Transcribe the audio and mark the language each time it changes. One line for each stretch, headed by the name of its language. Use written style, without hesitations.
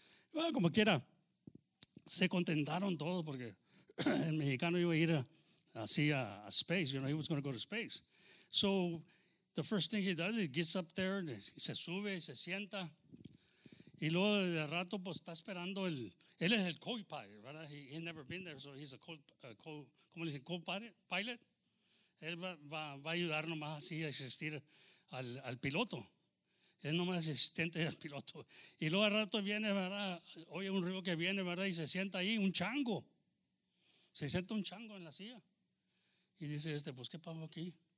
Spanish: Bueno, como quiera, se contentaron todos porque el mexicano iba a ir así a
English: space, you know, he was going to go to space. So, the first thing he does is gets up there,
Spanish: se sube y se sienta. Y luego de rato, pues está esperando el. Él es el co-pilot, ¿verdad?
English: He's never been there, so he's a co-pilot.
Spanish: Él va a ayudar nomás así a asistir al piloto. Él nomás asistente del piloto. Y luego al rato viene, ¿verdad? Oye, un río que viene, ¿verdad? Y se sienta ahí, un chango. Se sienta un chango en la silla. Y dice, pues, ¿qué pasó aquí?